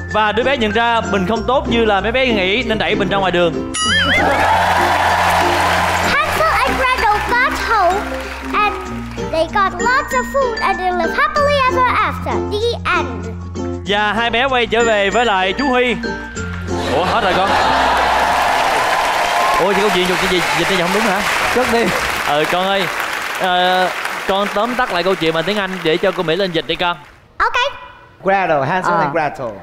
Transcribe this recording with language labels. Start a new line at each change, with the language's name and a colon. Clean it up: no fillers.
Vietnamese: Và đứa bé nhận ra mình không tốt như là mấy bé nghĩ nên đẩy mình ra ngoài đường.
English: Hansel and Gretel got home and they got lots of food and they lived happily ever after. The end.
Vietnamese: Và hai bé quay trở về với lại chú Huy. Ủa hết rồi con. Ủa chị có chuyện dùng cái gì dịch ra giọng đúng hả? Cất đi. Con ơi, con tóm tắt lại câu chuyện bằng tiếng Anh để cho cô Mỹ lên dịch đi con.
English: Ok. Gretel, Hansel and Gretel.